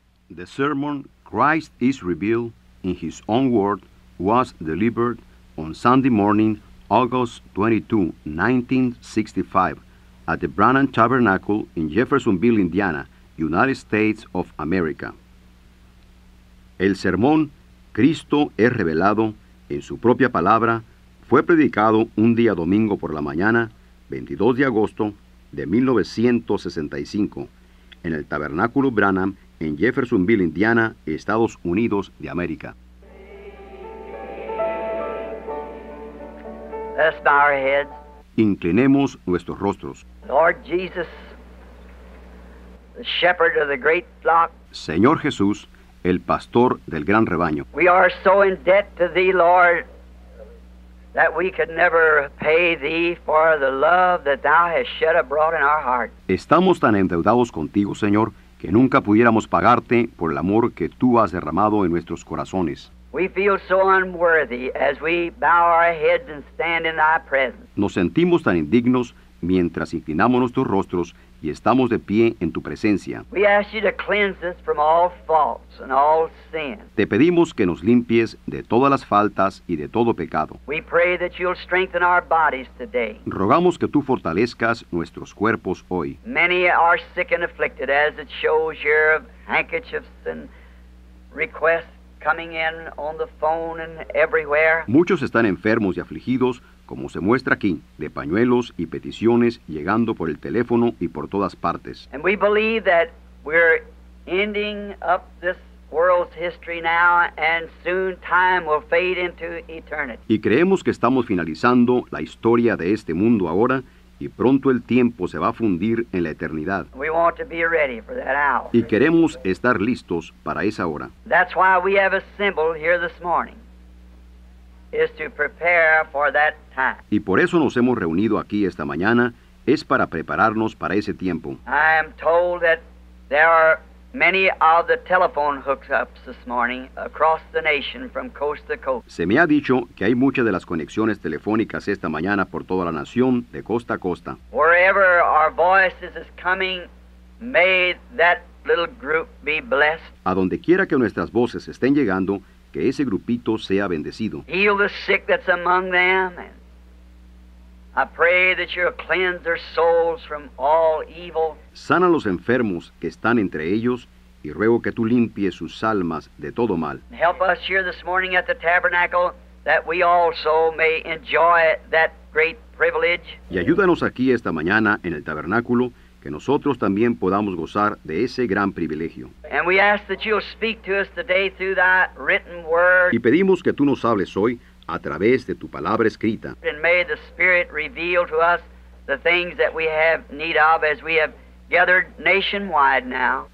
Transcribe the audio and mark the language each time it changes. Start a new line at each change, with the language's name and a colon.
English: The sermon Christ is revealed in his own word was delivered on Sunday morning, August 22, 1965, at the Branham Tabernacle in Jeffersonville, Indiana, United States of America.
Spanish: El sermón Cristo es revelado en su propia palabra fue predicado un día domingo por la mañana, 22 de agosto de 1965, en el Tabernáculo Branham en Jeffersonville, Indiana, Estados Unidos de América.
English: Let's bow our heads.
Spanish: Inclinemos nuestros rostros.
English: Lord Jesus, the shepherd of the great flock.
Spanish: Señor Jesús, el pastor del gran rebaño.
English: We are so in debt to thee, Lord, that we could never pay thee for the love that thou hast shed abroad in our heart.
Spanish: Estamos tan endeudados contigo, Señor, que nunca pudiéramos pagarte por el amor que tú has derramado en nuestros corazones.
English: We feel so unworthy as we bow our heads and stand in thy presence.
Spanish: Nos sentimos tan indignos mientras inclinamos nuestros rostros y estamos de pie en tu presencia.
English: We ask you to cleanse us from all faults and all sin.
Spanish: Te pedimos que nos limpies de todas las faltas y de todo pecado.
English: We pray that you'll strengthen our bodies today.
Spanish: Rogamos que tú fortalezcas nuestros cuerpos hoy.
English: Many are sick and afflicted, as it shows your handkerchiefs and requests coming in on the phone and everywhere.
Spanish: Muchos están enfermos y afligidos, como se muestra aquí, de pañuelos y peticiones llegando por el teléfono y por todas partes.
English: And we believe that we're ending up this world's history now, and soon time will fade into eternity.
Spanish: Y creemos que estamos finalizando la historia de este mundo ahora, y pronto el tiempo se va a fundir en la eternidad.
English: We want to be ready for that hour.
Spanish: Y queremos estar listos para esa hora.
English: That's why we have assembled here this morning, is to prepare for that time.
Spanish: Y por eso nos hemos reunido aquí esta mañana, es para prepararnos para ese tiempo.
English: I am told that there are many of the telephone hookups this morning across the nation from coast to coast.
Spanish: Se me ha dicho que hay muchas de las conexiones telefónicas esta mañana por toda la nación, de costa a costa.
English: Wherever our voices is coming, may that little group be blessed.
Spanish: A donde quiera que nuestras voces estén llegando, que ese grupito sea bendecido.
English: Heal the sick that's among them, and I pray that you'll cleanse their souls from all evil.
Spanish: Sana los enfermos que están entre ellos, y ruego que tú limpies sus almas de todo mal.
English: Help us here this morning at the tabernacle, that we also may enjoy that great privilege.
Spanish: Y ayúdanos aquí esta mañana en el tabernáculo, que nosotros también podamos gozar de ese gran privilegio.
English: And we ask that you'll speak to us today through thy written word.
Spanish: Y pedimos que tú nos hables hoy a través de tu palabra escrita.
English: And may the Spirit reveal to us the things that we have need of as we have gathered nationwide now.